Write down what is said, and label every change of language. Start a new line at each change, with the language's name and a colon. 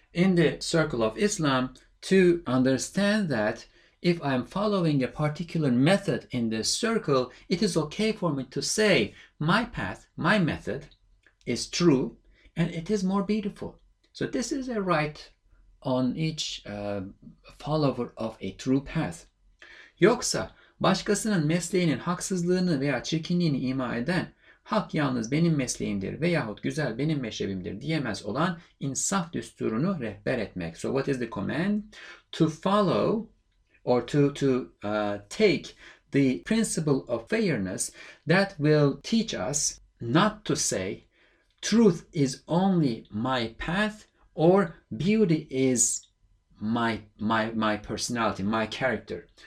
English: In the circle of Islam, to understand that if I'm following a particular method in this circle, it is okay for me to say my path, my method is true and it is more beautiful. So this is a right on each follower of a true path.
Turkish: Yoksa başkasının mesleğinin haksızlığını veya çirkinliğini ima eden hak yalnız benim mesleğimdir veyahut güzel benim meşrebimdir diyemez olan insaf düsturunu rehber etmek.
English: So what is the command? To follow or to take the principle of fairness that will teach us not to say truth is only my path or beauty is my personality, my character.